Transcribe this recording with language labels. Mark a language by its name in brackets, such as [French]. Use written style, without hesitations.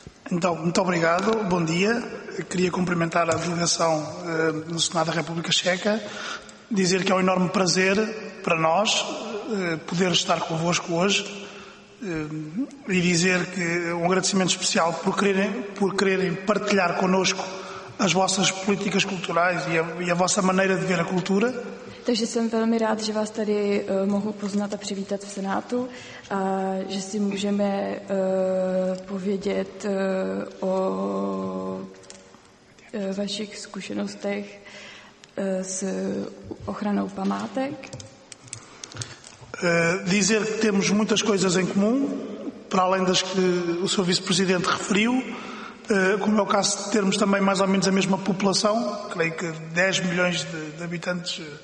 [Portuguese] Então, muito obrigado, bom dia. Queria cumprimentar a delegação do Senado da República Checa, dizer que é um enorme prazer para nós poder estar convosco hoje e dizer que um agradecimento especial por quererem partilhar connosco as vossas políticas culturais e a vossa maneira de ver a cultura. [Czech] Takže jsem velmi rád, že vás tady mohu poznat a přivítat v Senátu a že si můžeme povědět o vašich zkušenostech s ochranou památek. [Portuguese] Dizer que temos muitas coisas em comum, para além das que o seu vice-presidente referiu, como é o caso de termos também mais ou menos a mesma população, creio que 10 milhões de habitantes.